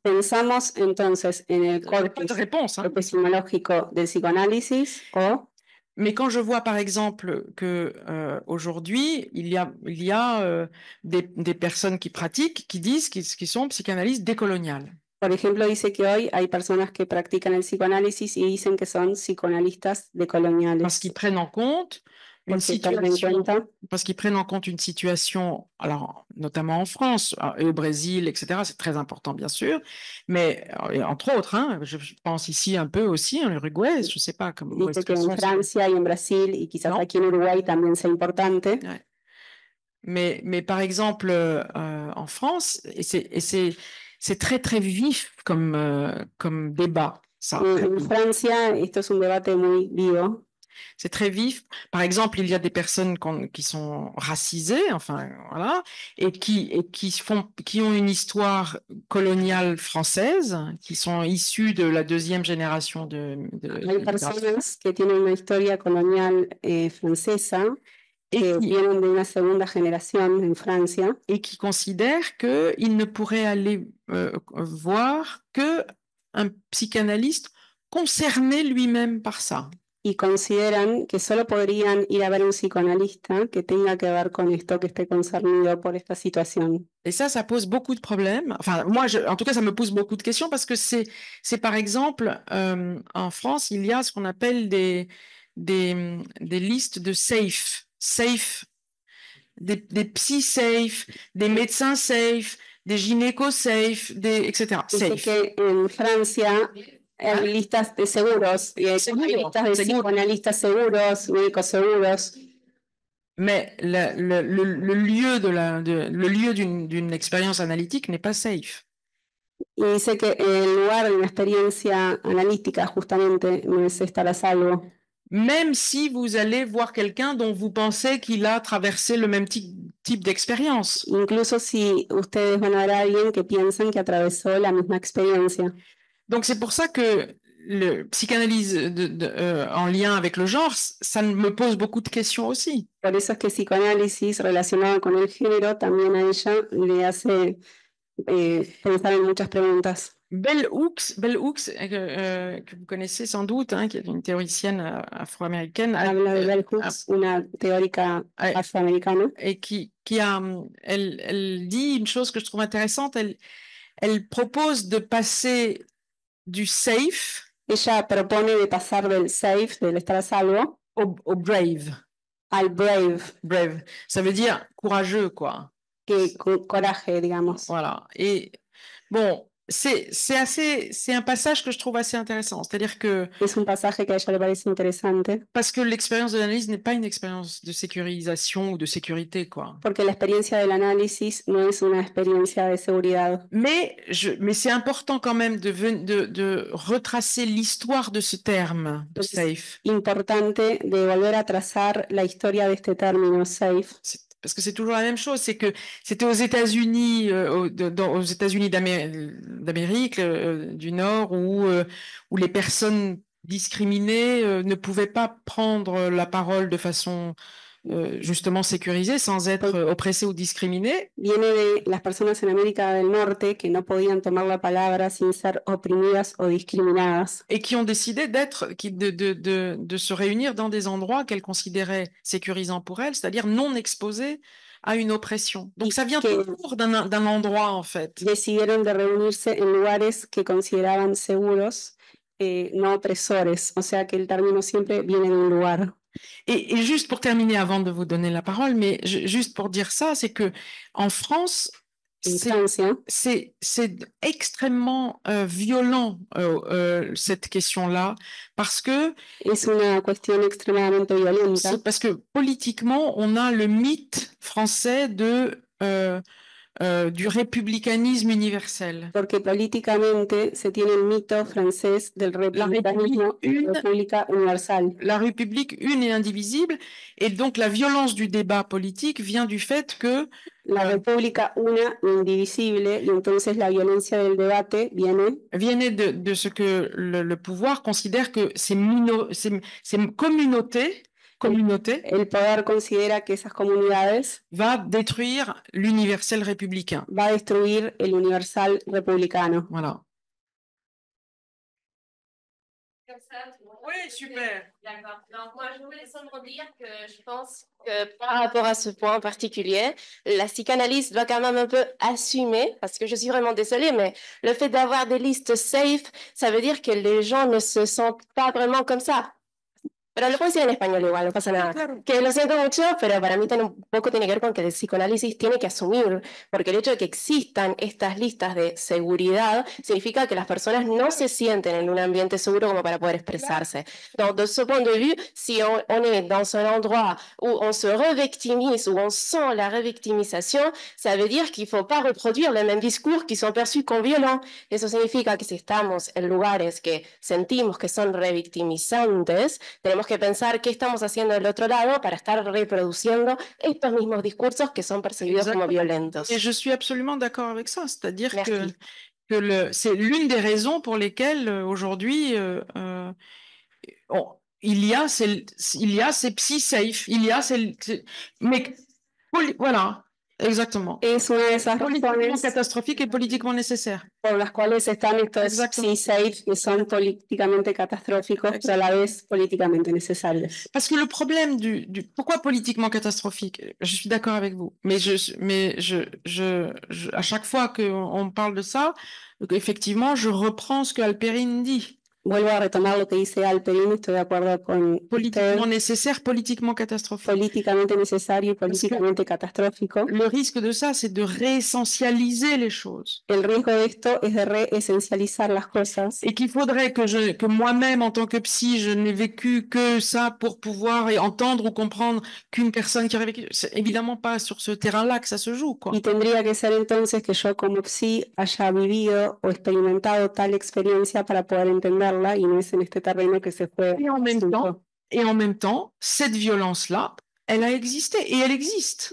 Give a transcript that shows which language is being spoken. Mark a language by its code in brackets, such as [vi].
[es] pensamos entonces en el corpus [fr] réponse, hein. [es] Epistemológico del psicoanálisis. Or, [fr] mais quand je vois par exemple que aujourd'hui il y a des personnes qui pratiquent, qui disent qu'ils sont psychanalystes décoloniales. [es] Por ejemplo, dice que hoy hay personas que practican el psicoanálisis y dicen que son psicoanalistas decoloniales. [fr] Parce qu'ils prennent en compte. Une situation, parce qu'ils prennent en compte une situation, alors, notamment en France et au Brésil, etc., c'est très important, bien sûr, mais entre autres, hein, je pense ici un peu aussi, en Uruguay, je ne sais pas comment. Dites que en France et en Brésil, et [es] quizás aquí en Uruguay también sea importante. [fr] Ouais. Mais par exemple, en France, c'est très très vif comme débat, ça. [es] En France, esto es un debate muy vivo. [fr] C'est très vif. Par exemple, il y a des personnes qui sont racisées, enfin voilà, et qui ont une histoire coloniale française, qui sont issues de la deuxième génération de. Il y a des personnes qui ont une histoire coloniale française et qui viennent de la seconde génération en France et qui considèrent que ils ne pourraient aller voir que un psychanalyste concerné lui-même par ça. [es] Y consideran que solo podrían ir a ver un psicoanalista que tenga que ver con esto, que esté concernido por esta situación. [fr] Et ça pose beaucoup de problèmes. Enfin, moi, en tout cas, ça me pose beaucoup de questions parce que c'est par exemple, en France, il y a ce qu'on appelle des listes de safe, des psys safe, des médecins safe, des gynécos safe, des etc. Safe. Et c'est qu'en France. [es] Hay listas de seguros, psicoanalistas seguros, médicos seguros. [fr] Mais le lieu de la le lieu d'une expérience analytique n'est pas safe. [es] Y dice que el lugar de una experiencia analítica justamente no es estar a salvo. [fr] Même si vous allez voir quelqu'un dont vous pensez qu'il a traversé le même type d'expérience. [es] Incluso si ustedes van a ver a alguien que piensan que atravesó la misma experiencia. [fr] Donc c'est pour ça que le psychanalyse en lien avec le genre, ça me pose beaucoup de questions aussi. [es] Por eso es que psicoanálisis relacionado con el género también a ella le hace pensar en muchas preguntas. [fr] Bell Hooks, que vous connaissez sans doute, hein, qui est une théoricienne afro-américaine. [es] Habla de Bell Hooks, una teórica afroamericana. [fr] Et qui dit une chose que je trouve intéressante. Elle propose de passer du safe. [es] Ella propone de pasar del safe, del estar a salvo, [fr] au brave. [es] Al brave. [en] Brave. [fr] Ça veut dire courageux, quoi. [es] Que coraje, digamos. [fr] Voilà. Et bon, c'est un passage que je trouve assez intéressant. C'est-à-dire que. [es] Es un passage que a ella le parece interesante. [fr] Parce que l'expérience de l'analyse n'est pas une expérience de sécurisation ou de sécurité, quoi. [es] Porque la experiencia del análisis no es una experiencia de seguridad. [fr] Mais c'est important quand même de retracer l'histoire de ce terme, de safe. [es] Importante de volver a trazar la historia de este término safe. [fr] Parce que c'est toujours la même chose, c'est que c'était aux États-Unis, aux États-Unis d'Amérique du Nord, où les personnes discriminées ne pouvaient pas prendre la parole de façon justement sécurisée, sans être oppressées ou discriminées. [es] Viene de las personas en América del Norte que no podían tomar la palabra sin ser oprimidas o discriminadas. [fr] Et qui ont décidé de se réunir dans des endroits qu'elles considéraient sécurisants pour elles, c'est-à-dire non exposés à une oppression. Donc ça vient toujours d'un endroit, en fait. [es] Decidieron de reunirse en lugares que consideraban seguros, no opresores. O sea que el término siempre viene de un lugar. [fr] Et juste pour terminer, avant de vous donner la parole, mais juste pour dire ça, c'est que en France, c'est extrêmement violent cette question-là, parce que [es] es una cuestión extremadamente violenta. [fr] C'est parce que politiquement, on a le mythe français de du républicanisme universel. [es] Porque políticamente se tiene el mito francés del republicanismo universal. [fr] La République une et indivisible, et donc la violence du débat politique vient du fait que [es] la República una e indivisible, y entonces la violencia del debate viene [fr] de ce que le pouvoir considère que c'est communauté. Communauté, [es] el poder considera que esas comunidades [fr] va détruire l'universel républicain. [es] Va a destruir el universal republicano. [fr] Voilà. Oui, super. D'accord. Donc moi, je voulais simplement dire que je pense que par rapport à ce point en particulier, la psychanalyse doit quand même un peu assumer, parce que je suis vraiment désolée, mais le fait d'avoir des listes safe, ça veut dire que les gens ne se sentent pas vraiment comme ça. [es] Pero lo puedo decir en español igual, no pasa nada. Claro. Que lo siento mucho, pero para mí un poco tiene que ver con que el psicoanálisis tiene que asumir, porque el hecho de que existan estas listas de seguridad significa que las personas no se sienten en un ambiente seguro como para poder expresarse. [fr] Donc, de ce point de vue, si on est dans un endroit où on se revictimise, où on sent la revictimisation, ça veut dire qu'il ne faut pas reproduire les mêmes discours qui sont perçus comme violents. [es] Eso significa que si estamos en lugares que sentimos que son revictimizantes, tenemos que pensar qué estamos haciendo del otro lado para estar reproduciendo estos mismos discursos que son percibidos Exacto. como violentos. Y yo estoy absolutamente de acuerdo con eso, [fr] c'est-à-dire Merci. que le, c'est l'une des raisons pour lesquelles aujourd'hui il y a ces psy safe, il y a ces voilà. Exactement. [es] Es una de esas razones catastróficas y políticamente necesarias. Por las cuales están estos C-Safe que son políticamente catastróficos, pero a la vez políticamente necesarios. [fr] Parce que le problème du pourquoi politiquement catastrophique, je suis d'accord avec vous, mais à chaque fois qu'on parle de ça, effectivement, je reprends ce que Alperine dit. [es] Vuelvo a retomar lo que dice Alperín, estoy de acuerdo con [fr] politiquement [es] usted. [fr] Nécessaire, politiquement catastrophique. [es] Políticamente necesario y políticamente catastrófico. [fr] Le risque de ça, c'est de réessentialiser les choses. [es] El riesgo de esto es de réessentializar las cosas. [fr] Et qu'il faudrait que moi-même, en tant que psy, je n'ai vécu que ça pour pouvoir entendre ou comprendre qu'une personne qui aurait vécu. C'est évidemment pas sur ce terrain-là que ça se joue, quoi. [es] Y tendría que ser entonces que yo como psy haya vivido o experimentado tal experiencia para poder entender. [fr] Et en même temps, cette violence-là, elle a existé et elle existe.